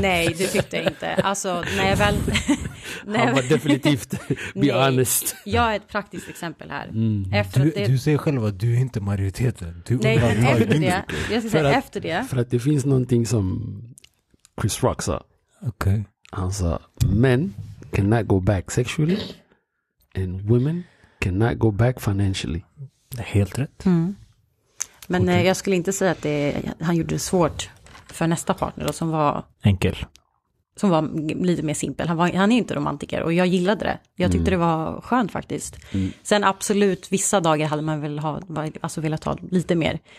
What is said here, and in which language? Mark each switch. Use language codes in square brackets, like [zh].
[sv] Nej, det tyckte jag inte. Alltså, när jag väl... Han var definitivt, [en] be honest. [sv] Jag är ett praktiskt exempel här. Mm. Efter du säger själv att du är inte majoriteten. Du nej, efter det. Jag ska säga för att, efter det. För att det finns någonting som Chris Rock sa. Okay. Han sa, [en] men cannot go back sexually and women cannot go back financially. [sv] Det är helt rätt. Mm. Men okay. Jag skulle inte säga att han gjorde det svårt för nästa partner då, som var enkel. Som var lite mer simpel. Han är inte romantiker och jag gillade det. Jag tyckte det var skönt faktiskt. Mm. Sen absolut, vissa dagar hade man väl velat ha lite mer.